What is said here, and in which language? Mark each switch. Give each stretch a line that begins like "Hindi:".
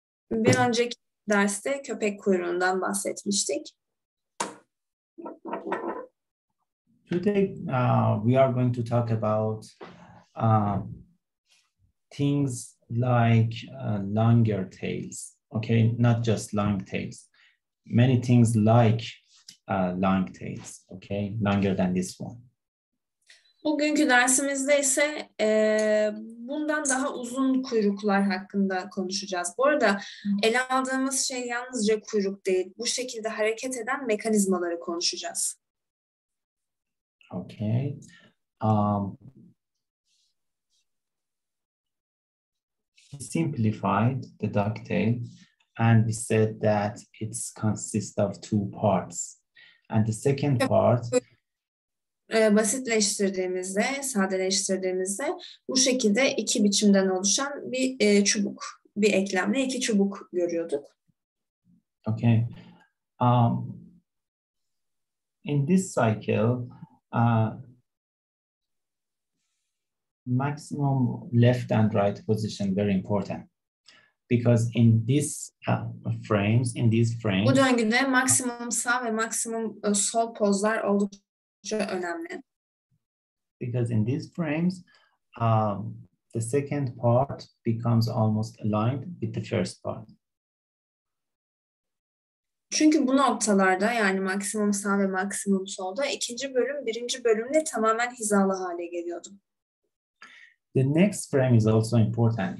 Turkish: Bir önceki derste köpek kuyruğundan bahsetmiştik.
English: Today we are going to talk about things like longer tails, okay? Not just long tails. Many things like long tails, okay? Longer than this one.
Turkish: Bugünkü dersimizde ise bundan daha uzun kuyruklar hakkında konuşacağız. Bu arada ele aldığımız şey yalnızca kuyruk değil. Bu şekilde hareket eden mekanizmaları konuşacağız.
English: Okay. We simplified the ducktail and we said that it consists of two parts. And the second part...
Turkish: Basitleştirdiğimizde, sadeleştirdiğimizde bu şekilde iki biçimden oluşan bir çubuk, bir eklemle iki çubuk görüyorduk.
English: Okay. In this cycle... maximum left and right position very important because in these frames, in these frames.
Turkish: Bu döngüde maximum sağ ve maximum sol pozlar oldukça önemli.
English: Because in these frames, the second part becomes almost aligned with the first part.
Turkish: Çünkü bu noktalarda yani maksimum sağ ve maksimum solda ikinci bölüm birinci bölümle tamamen hizalı hale geliyordum.
English: The next frame is also important.